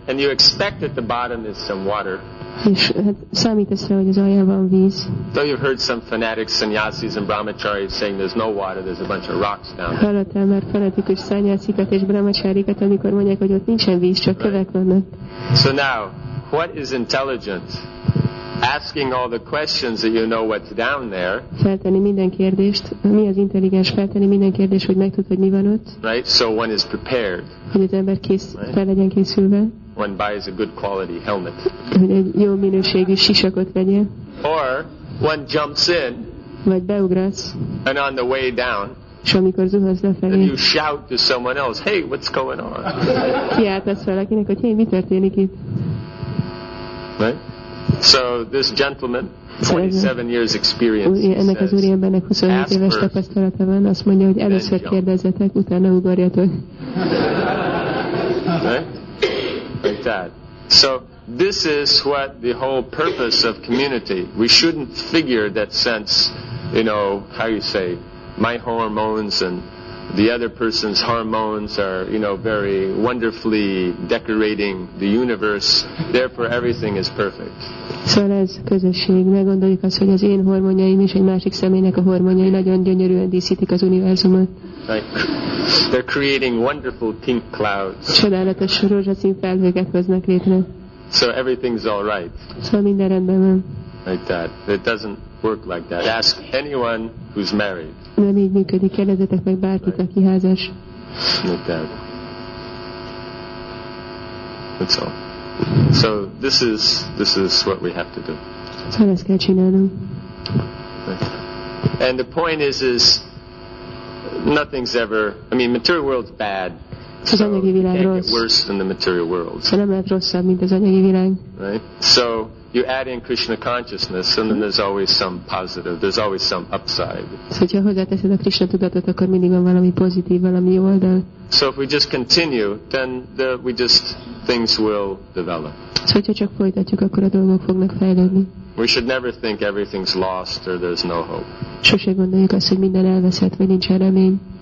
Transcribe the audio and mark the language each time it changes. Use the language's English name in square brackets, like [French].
[English] And you expect at the bottom is some water. [Hungarian] És hát számítasz rá, hogy az alján van víz. [English] Though you've heard some fanatic sannyasis and brahmacharis saying there's no water, there's a bunch of rocks down there. [Hungarian] Hallottál már fanatikus sannyasikat és brahmacharikat, amikor mondják, hogy ott nincsen víz, csak [English] right. [Hungarian] Kövek vannak. [English] So now, what is intelligent? Asking all the questions that you know what's down there. [Hungarian] Feltenni minden kérdést. Mi az intelligens? Feltenni minden kérdést, hogy megtud, hogy mi van ott. [English] Right? So one is prepared. [Hungarian] Hogy az ember kész, [English] right? [Hungarian] Fel legyen készülve. [English] One buys a good quality helmet. [Hungarian] Hogy egy jó minőségű sisakot vegyél. [English] Or one jumps in. [Hungarian] Vagy beugrasz. [English] And on the way down. [Hungarian] És amikor zuhasz lefelé. [English] And you shout to someone else, hey, what's going on? [Hungarian] Kiáltasz valakinek, hogy hey, mi történik itt? [English] Right? So this gentleman, 27 years experience, [Hungarian] ennek [English] says, ask first, then jump. [Hungarian] Azt mondja, hogy először kérdezzetek, utána ugorjatok. [English] Right? Like that. So this is what the whole purpose of community. We shouldn't figure that sense, you know, how you say, my hormones and the other person's hormones are, you know, very wonderfully decorating the universe. Therefore, everything is perfect. [Hungarian] Szóval ez közösség. Meggondoljuk azt, hogy az én hormonjaim és egy másik személynek a hormonjai nagyon gyönyörűen díszítik az univerzumot. [English] They're creating wonderful pink clouds. [Hungarian] Csodálatos rózsaszín felhőket hoznak létre. [English] So everything's all right. [Hungarian] Szóval minden rendben van. [English] Like that. It doesn't work like that. Ask anyone who's married. [Hungarian] Nem így működik. Kérdezzetek meg bárkit, aki házas. [English] Like that. That's all. So this is what we have to do. [Hungarian] Szóval ezt kell csinálnom. [English] And the point is nothing's ever. I mean, material world's bad. So [Hungarian] az anyagi világ [English] can't [Hungarian] rossz. [English] Get worse than the material world. [Hungarian] Szóval nem lehet rosszabb, mint az anyagi világ. [English] Right. So you add in Krishna consciousness, and then there's always some positive. There's always some upside. [Hungarian] Szóval, hogyha hozzáteszed a Krishna tudatot, akkor mindig van valami pozitív, valami jó oldal. [English] So if we just continue, then we just things will develop. [Hungarian] Szóval, hogyha csak folytatjuk, akkor a dolgok fognak fejlődni. [English] We should never think everything's lost or there's no hope. [Hungarian] Sose gondoljuk azt, hogy minden elveszett, vagy nincs remény.